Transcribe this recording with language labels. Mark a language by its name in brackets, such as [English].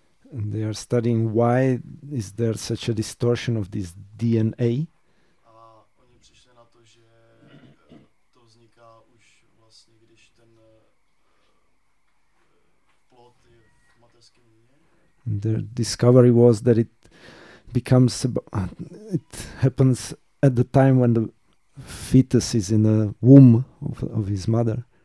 [English] They are studying why is there such a distortion of this DNA. [Czech] A oni přišli na to, že to vzniká už vlastně, když ten plod je v mateřském lůně. [English] Their discovery was that it becomes, it happens at the time when the fetus is in the womb of his mother.